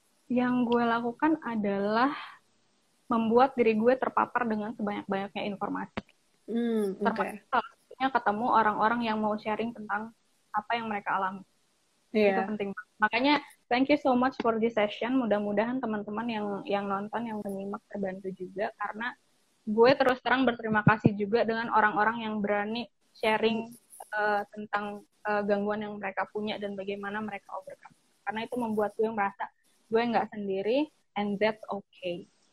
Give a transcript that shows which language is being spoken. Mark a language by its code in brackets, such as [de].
[id] Yang gue lakukan adalah membuat diri gue terpapar dengan sebanyak-banyaknya informasi. Terpaparnya ketemu orang-orang yang mau sharing tentang apa yang mereka alami. Itu penting. [en] Makanya, thank you so much for this session. [id] Mudah-mudahan teman-teman yang nonton, yang menyimak terbantu juga. Karena gue terus terang berterima kasih juga dengan orang-orang yang berani sharing tentang gangguan yang mereka punya dan bagaimana mereka overcome. Karena itu membuat gue merasa gue nggak sendiri, [en] and that's okay.